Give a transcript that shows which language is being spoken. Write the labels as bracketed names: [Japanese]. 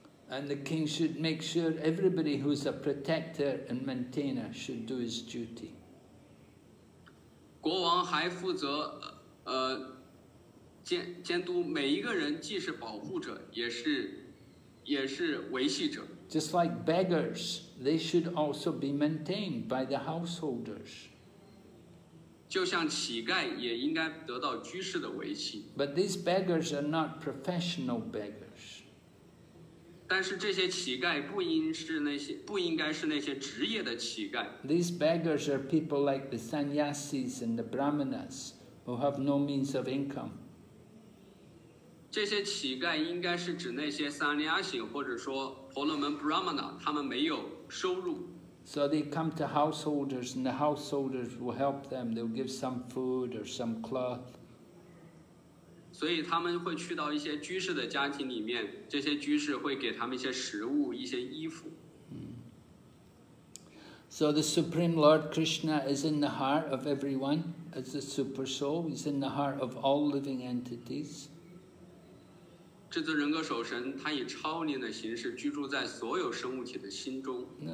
[English] And the king should make sure everybody who's a protector and maintainer should do his duty. [Chinese] 国王还负责监督每一个人既是保护者也是维系者。 [English] Just like beggars, they should also be maintained by the householders. [Chinese] 就像乞丐也应该得到居士的维系。 [English] But these beggars are not professional beggars. [Chinese] 但是这些乞丐不应该是那些职业的乞丐。 [English] These beggars are people like the sannyasis and the brahmanas who have no means of income. [Chinese] 这些乞丐应该是指那些 sannyasi 或者说婆罗门 brahmana 他们没有收入。 [English] So they come to householders and the householders will help them. They'll give some food or some cloth. [Chinese] 所以他们会去到一些居士的家庭里面，这些居士会给他们一些食物、一些衣服。 [English] So the Supreme Lord Krishna is in the heart of everyone as the super soul. He's in the heart of all living entities. [Chinese] 至尊人格守神他以超灵的形式居住在所有生物体的心中。